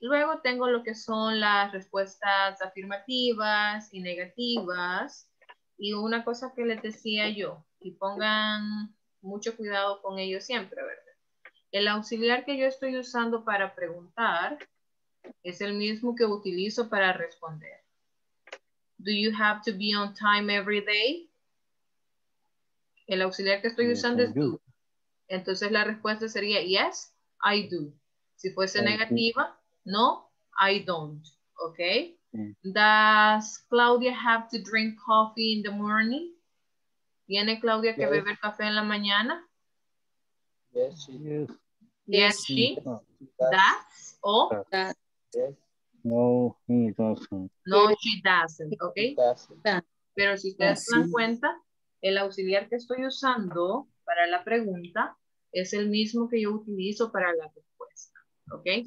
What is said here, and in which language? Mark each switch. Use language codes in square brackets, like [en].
[es] Luego tengo lo que son las respuestas afirmativas y negativas. Y una cosa que les decía yo, y pongan mucho cuidado con ello siempre, ¿verdad? El auxiliar que yo estoy usando para preguntar es el mismo que utilizo para responder. [en] Do you have to be on time every day? [es] El auxiliar que estoy usando es do. Entonces la respuesta sería [en] yes, I do. [es] Si fuese negativa, [en] no, I don't. [es] Okay. [en] Does Claudia have to drink coffee in the morning? [es] ¿Tiene Claudia que beber café en la mañana? [en] Yes, she is. Yes, she does. [es] ¿O? [en] No, he doesn't. No, she doesn't. Okay. [es] Pero si ustedes se dan cuenta, el auxiliar que estoy usando para la pregunta es el mismo que yo utilizo para la respuesta. Ok.